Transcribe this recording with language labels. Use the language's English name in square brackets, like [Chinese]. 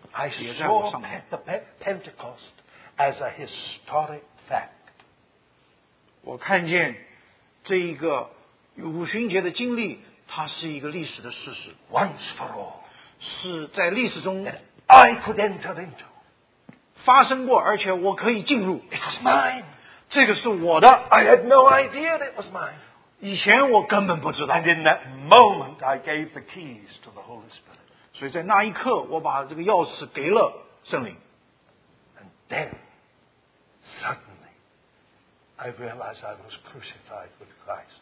[English] I saw Pentecost as a historic fact. [Chinese] 我看见这一个五旬节的经历, 它是一个历史的事实, [English] once for all. [Chinese] 是在历史中, [English] I could enter into. [Chinese] 发生过，而且我可以进入。 [English] It was mine. [Chinese] 这个是我的。 [English] I had no idea that it was mine. [Chinese] 以前我根本不知道。 [English] And in that moment, I gave the keys to the Holy Spirit. [Chinese] 所以在那一刻，我把这个钥匙给了圣灵。 [English] And then, suddenly, I realized I was crucified with Christ.